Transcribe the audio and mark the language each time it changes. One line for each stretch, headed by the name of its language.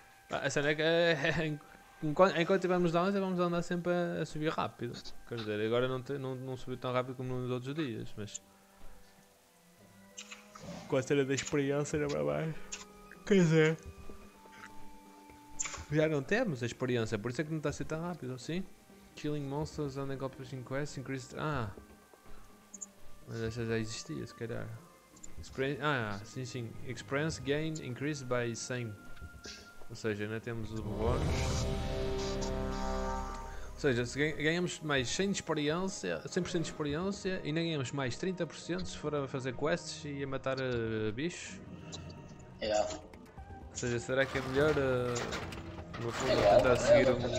Portuguese: A cena é que enquanto estivermos down, vamos andar sempre a subir rápido. Quer dizer, agora não subiu tão rápido como nos outros dias, mas. Com a cena da experiência era para baixo. Quer dizer. Já não temos a experiência, por isso é que não está a ser tão rápido, sim?
English: Killing monsters, ending up with quests, increased. Ah!
Portuguese: Mas essa já existia, se calhar. Sim.
English: Experience gain increased by 100.
Portuguese: Ou seja, ainda temos o bónus. Ou seja, se ganhamos mais 100 de experiência, 100% de experiência, e ainda ganhamos mais 30% se for a fazer quests e a matar bichos. É.
English: Yeah.
Portuguese: Ou seja, será que é melhor no fundo tentar seguir um...